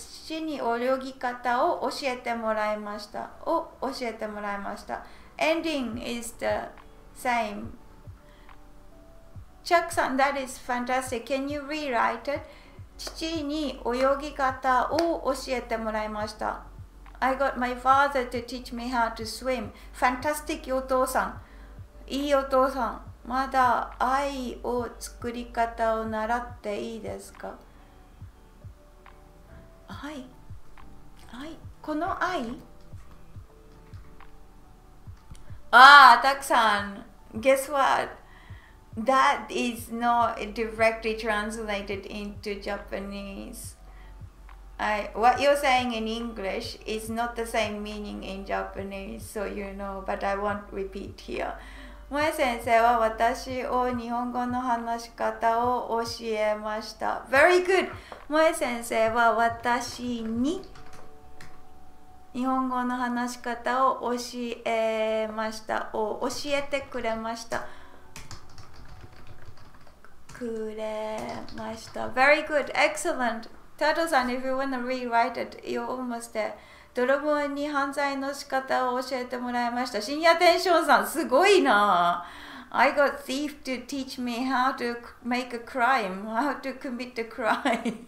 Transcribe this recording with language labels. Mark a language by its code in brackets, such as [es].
[ja] 父に泳ぎ方を教えてもらいました。を教えてもらいました。 [en] Ending is the same. Chuck さん、that is fantastic. Can you rewrite it? [ja] 父に泳ぎ方を教えてもらいました。 [en] I got my father to teach me how to swim. Fantastic, お父さん。 [ja] いいお父さん。まだ愛を作り方を習っていいですか? 愛?愛?この愛? ああ、たくさん。 [en] Guess what? That is not directly translated into Japanese. What you're saying in English is not the same meaning in Japanese, so you know, but I won't repeat here. [ja] 萌先生は私を日本語の話し方を教えました。 [en] Very good! [ja] 萌先生は私に日本語の話し方を教えました。教えてくれました。くれました。 [en] Very good! Excellent! Tato-san, if you want to rewrite it, you're almost there. [ja] 泥棒に犯罪の仕方を教えてもらいました。深夜テンションさん、すごいな。 [en] I got thief to teach me how to make a crime, how to commit a crime.